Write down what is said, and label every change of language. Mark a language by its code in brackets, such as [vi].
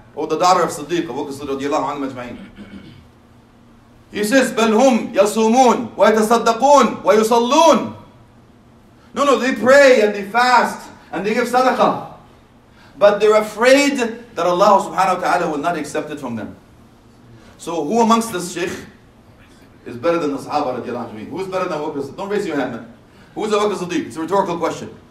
[en] Or the daughter of Siddiq, Abu Bakr Siddiq [ar] رضي الله عنه أجمعين. [en] He says, [ar] بَلْ هُمْ يَصُومُونَ وَيَتَصَدَّقُونَ وَيُصَلُّونَ. [en] No, they pray and they fast and they give sadaqah. But they're afraid that Allah subhanahu wa ta'ala will not accept it from them. So who amongst this sheikh is better than the sahaba radiallahu anhu? Who's better than Abu Bakr Siddiq? Don't raise your hand, man. Who's Abu Bakr Siddiq? It's a rhetorical question.